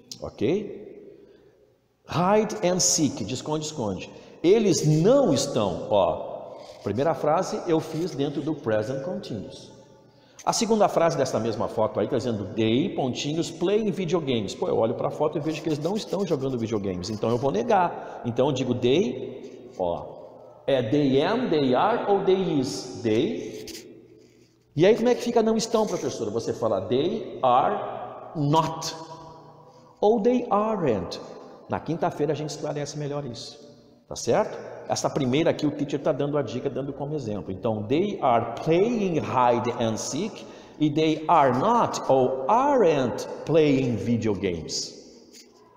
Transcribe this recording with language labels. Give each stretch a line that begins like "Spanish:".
Portuguese: Ok? Hide and seek, de esconde-esconde. Eles não estão, ó. Primeira frase, eu fiz dentro do present continuous. A segunda frase dessa mesma foto aí, está dizendo they, pontinhos, playing videogames. Pô, eu olho para a foto e vejo que eles não estão jogando videogames. Então, eu vou negar. Então, eu digo they, ó. É they am, they are ou they is?
English: They.
Portuguese: E aí, como é que fica não estão, professora? Você fala
English: they are not
Portuguese: ou
English: they aren't.
Portuguese: Na quinta-feira, a gente esclarece melhor isso. Tá certo? Essa primeira aqui, o teacher está dando a dica, dando como exemplo.
English: Então, they are playing hide and seek e they are not or aren't playing video games.